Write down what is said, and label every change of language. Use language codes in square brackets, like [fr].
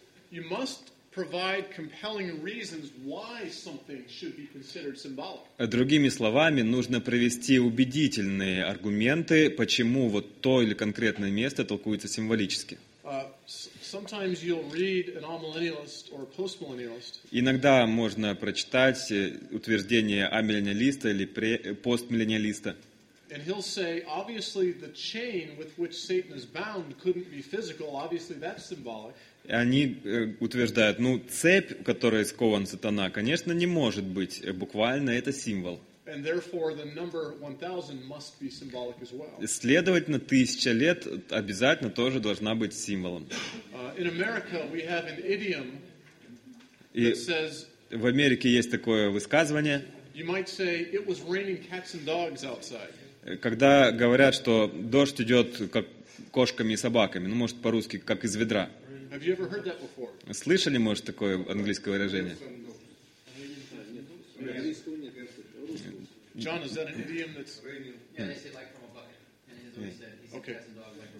[en] You must provide compelling reasons why something should be considered symbolic. [ru] Другими словами, нужно привести убедительные аргументы, почему вот то или конкретное место толкуется символически. [en] Sometimes you'll read an amillennialist or a postmillennialist. [ru] Иногда можно прочитать утверждение амиллениалиста или постмиллениалиста. [en] And he'll say, obviously, the chain with which Satan is bound couldn't be physical. Obviously, that's symbolic. [ru] Они утверждают, ну, цепь, в которой скован сатана, конечно, не может быть буквально, это символ. [en] And therefore the number 1000 must be symbolic as well. [ru] Следовательно, 1000 лет обязательно тоже должна быть символом. [en] In America we have an idiom that says... [ru] В Америке есть такое высказывание. [en] You might say, it was raining cats and dogs outside. [ru] Когда говорят, что дождь идет как кошками и собаками, ну, может, по-русски, как из ведра. [en] Have you ever heard that before? [ru] Слышали, может, такое английское выражение? [en] John, is that an idiom that's... Yeah, they say like from a bucket. And he's always said, he said cats and dogs.